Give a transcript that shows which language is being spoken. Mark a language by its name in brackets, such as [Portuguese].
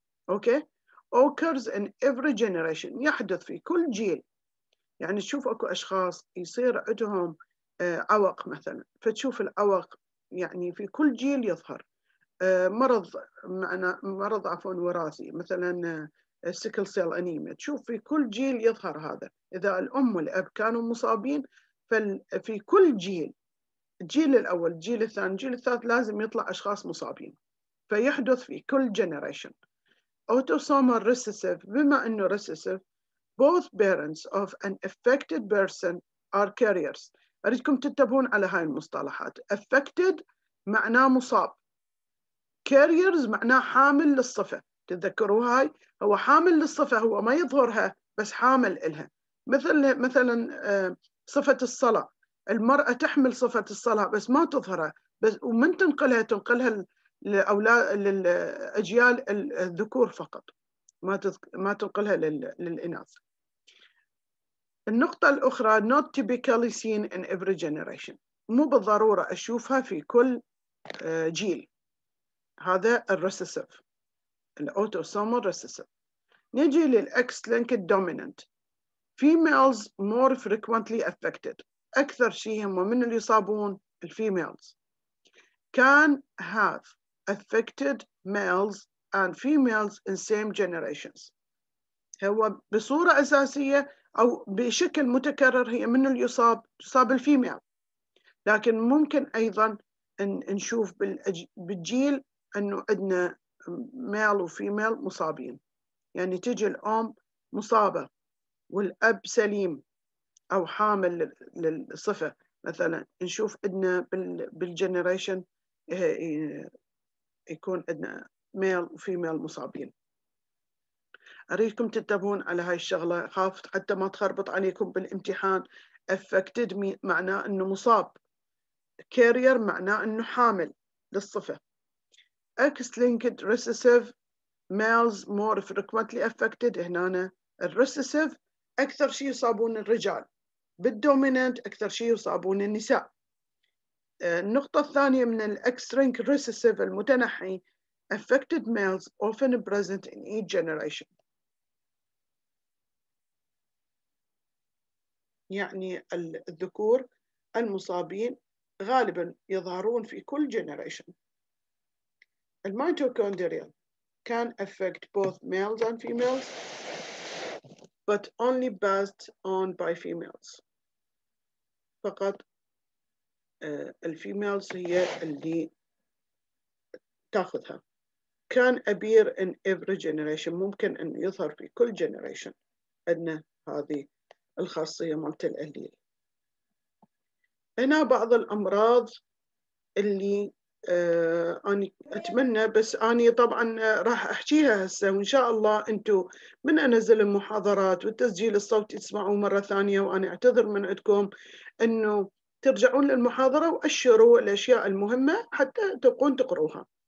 [Arabic] أوكي [English] occurs in every generation [Arabic] يحدث في كل جيل يعني تشوف أكو أشخاص يصير عندهم عوق مثلا فتشوف العوق يعني في كل جيل يظهر مرض معنى مرض عفوا وراثي مثلا سيكل سيل أنيميا تشوف في كل جيل يظهر هذا إذا الأم والأب كانوا مصابين في كل جيل الجيل الأول، الجيل الثاني، الجيل الثالث لازم يطلع أشخاص مصابين فيحدث في كل generation. [English] Autosomal recessive [Arabic] بما أنه [English] recessive both parents of an affected person are carriers. [Arabic] أريدكم تتبهون على هاي المصطلحات. Affected معناه مصاب. Carriers معناه حامل للصفة. تتذكروا هاي؟ هو حامل للصفة هو ما يظهرها بس حامل إلها. مثلا صفة الصلاة. المرأة تحمل صفة الصلاة بس ما تظهرها بس ومن تنقلها تنقلها لأولاد للأجيال الذكور فقط ما تنقلها للإناث. النقطة الأخرى [English] not typically seen in every generation [Arabic] مو بالضرورة أشوفها في كل جيل هذا الرسيسف الأوتوسومال رسيسف. نجي للإكس لينك الدوميننت [English] females more frequently affected [Arabic] أكثر شيء هم من اللي يصابون الفيميلز. [English] Can have affected males and females in same generations. [Arabic] هو بصورة أساسية أو بشكل متكرر هي من اللي يصاب الفيميل. لكن ممكن أيضا نشوف بالجيل أنه عندنا male وفيميل مصابين. يعني تجي الأم مصابة والأب سليم. أو حامل للصفة مثلاً نشوف عندنا بالجنريشن يكون عندنا ميل وفيميل مصابين. أريدكم تنتبهون على هاي الشغلة خافت حتى ما تخربط عليكم بالامتحان. affected معناه أنه مصاب carrier معناه أنه حامل للصفة. [English] X-linked recessive males more frequently affected. [Arabic] هنا الrecessive أكثر شيء يصابون الرجال. بالdominant أكثر شيء يصابون النساء. النقطة الثانية من [English] الX-link recessive [Arabic] المتنحي [English] affected males often present in each generation. [Arabic] يعني الذكور المصابين غالبا يظهرون في كل generation. [English] الميتوكوندريال can affect both males and females but only passed on by females. [Arabic] فقط الفيميلز هي اللي تاخذها. [English] Can appear in every generation. [Arabic] ممكن أن يظهر في كل generation أن هذه الخاصية مالت الأليل. هنا بعض الأمراض اللي أنا أتمنى بس أنا طبعاً راح أحكيها هسه وإن شاء الله أنتوا من أنزل المحاضرات والتسجيل الصوتي تسمعوا مرة ثانية وأنا أعتذر من عندكم أنه ترجعون للمحاضرة وأشروا الأشياء المهمة حتى تبقون تقروها.